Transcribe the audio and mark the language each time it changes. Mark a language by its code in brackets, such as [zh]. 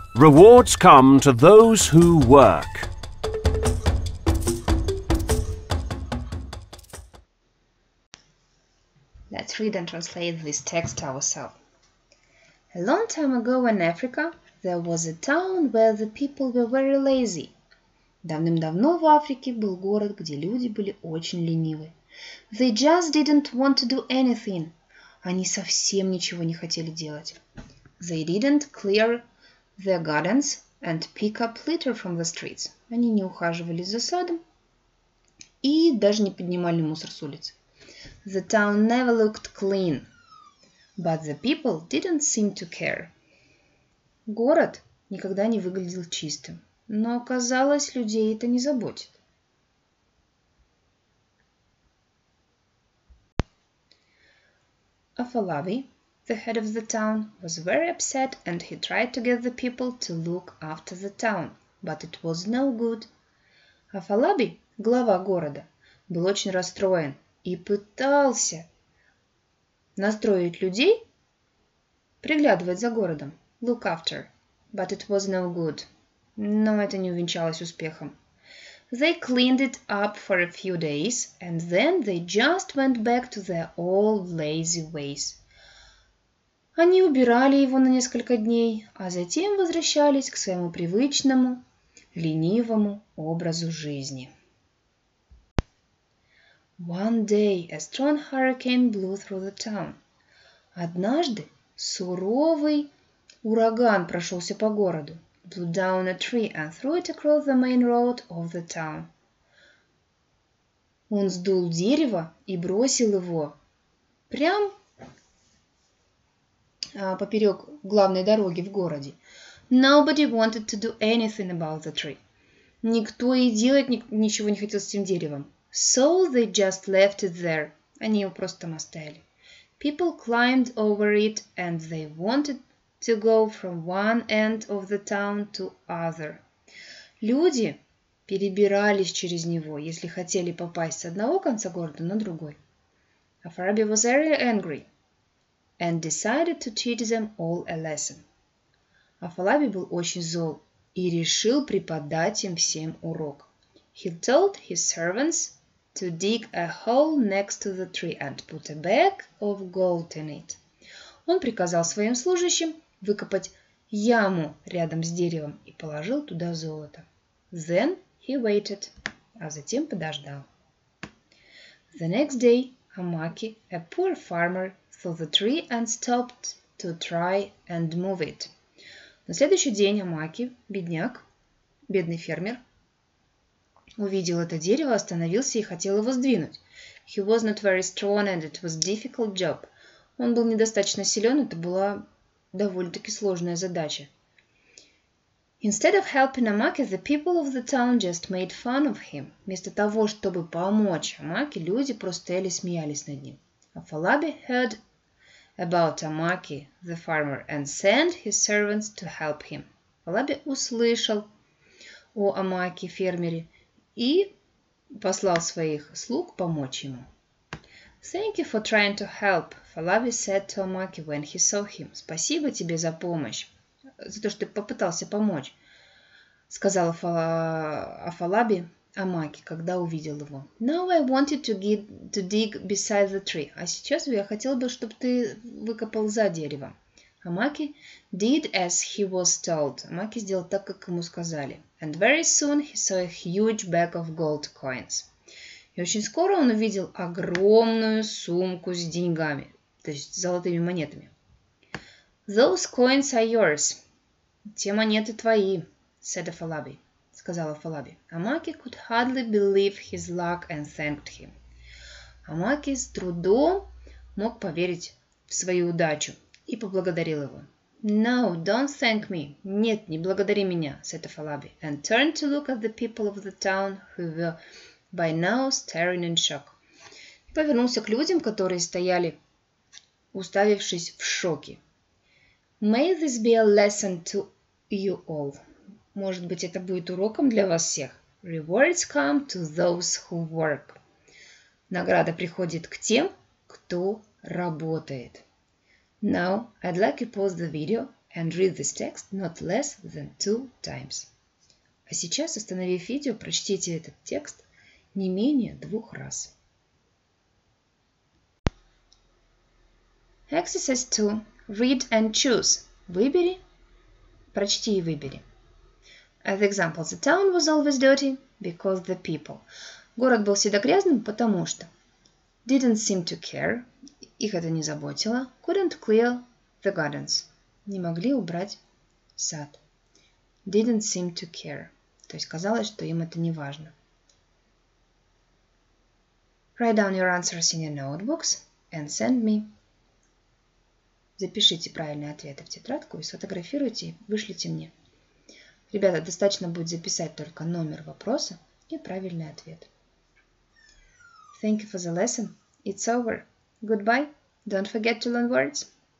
[en] Rewards come to those who work. Let's read and translate this text ourselves. A long time ago in Africa, there was a town where the people were very lazy. [ru] Давным-давно в Африке был город, где люди были очень ленивы. [en] They just didn't want to do anything. [ru] Они совсем ничего не хотели делать. [en] They didn't clear their gardens and pick up litter from the streets. [ru] Они не ухаживали за садом и даже не поднимали мусор с улиц. [en] The town never looked clean. But the people didn't seem to care. [ru] Город никогда не выглядел чистым. Но, казалось, людей это не заботит. [en] Афалави, the head of the town, was very upset and he tried to get the people to look after the town. But it was no good. Афалави, [ru] глава города, был очень расстроен и пытался настроить людей, приглядывать за городом, [en] look after, but it was no good. [ru] Но это не увенчалось успехом. [en] They cleaned it up for a few days, and then they just went back to their old lazy ways. [ru] Они убирали его на несколько дней, а затем возвращались к своему привычному, ленивому образу жизни. [en] One day a strong hurricane blew through the town. [ru] Однажды суровый ураган прошелся по городу, [en] blew down a tree and threw it across the main road of the town. [ru] Он сдул дерево и бросил его прямо поперек главной дороги в городе. [en] Nobody wanted to do anything about the tree. [ru] Никто и делать ничего не хотел с этим деревом. [en] So they just left it there. [ru] Они его просто там оставили. [en] People climbed over it, and they wanted to go from one end of the town to other. [ru] Люди перебирались через него, если хотели попасть с одного конца города на другой. [en] Афараби was very angry and decided to teach them all a lesson. [ru] Афараби был очень зол и решил преподать им всем урок. [en] He told his servants to dig a hole next to the tree and put a bag of gold in it. [ru] Он приказал своим служащим выкопать яму рядом с деревом и положил туда золото. [en] Then he waited, [ru] а затем подождал. [en] The next day, Amaki, a poor farmer, saw the tree and stopped to try and move it. [ru] На следующий день Амаки, бедняк, бедный фермер, увидел это дерево, остановился и хотел его сдвинуть. [en] He was not very strong and it was a difficult job. [ru] Он был недостаточно силен, это была довольно-таки сложная задача. [en] Instead of helping Amaki, the people of the town just made fun of him. [ru] Вместо того, чтобы помочь Амаки, люди просто еле смеялись над ним. [en] Афалаби heard about Amaki, the farmer, and sent his servants to help him. [ru] Афалаби услышал о Амаки, фермере, и послал своих слуг помочь ему. [en] Thank you for trying to help, Фалаби said to Амаки when he saw him. [ru] Спасибо тебе за помощь, за то, что ты попытался помочь, сказал Фалаби Амаки, когда увидел его. [en] Now I wanted to dig beside the tree. [ru] А сейчас я хотел бы, чтобы ты выкопал за дерево. [en] Амаки did as he was told. [ru] Амаки сделал так, как ему сказали. [en] And very soon he saw a huge bag of gold coins. [ru] И очень скоро он увидел огромную сумку с деньгами, то есть золотыми монетами. [en] Those coins are yours. [ru] Те монеты твои, [en] said Афалаби, [ru] сказала [en] Афалаби. Амаки could hardly believe his luck and thanked him. [ru] Амаки с трудом мог поверить в свою удачу и поблагодарил его. [en] No, don't thank me. [ru] Нет, не благодари меня, [en] said Афалаби, and turned to look at the people of the town who were by now staring in shock. [ru] И повернулся к людям, которые стояли, уставившись в шоке. [en] May this be a lesson to you all. [ru] Может быть, это будет уроком для вас всех. [en] Rewards come to those who work. [ru] Награда приходит к тем, кто работает. [en] Now, I'd like you to pause the video and read this text not less than 2 times. [ru] А сейчас, остановив видео, прочтите этот текст не менее 2 раз. [en] Exercise 2. Read and choose. [ru] Выбери. Прочти и выбери. [en] As examples, the town was always dirty because the people. [ru] Город был всегда грязным, потому что. [en] Didn't seem to care. [ru] Их это не заботило. [en] Couldn't clear the gardens. [ru] Не могли убрать сад. [en] Didn't seem to care. [ru] То есть казалось, что им это не важно. [en] Write down your answers in your notebooks and send me. [ru] Запишите правильные ответы в тетрадку и сфотографируйте, и вышлите мне. Ребята, достаточно будет записать только номер вопроса и правильный ответ. [en] Thank you for the lesson. It's over. Goodbye. Don't forget to learn words.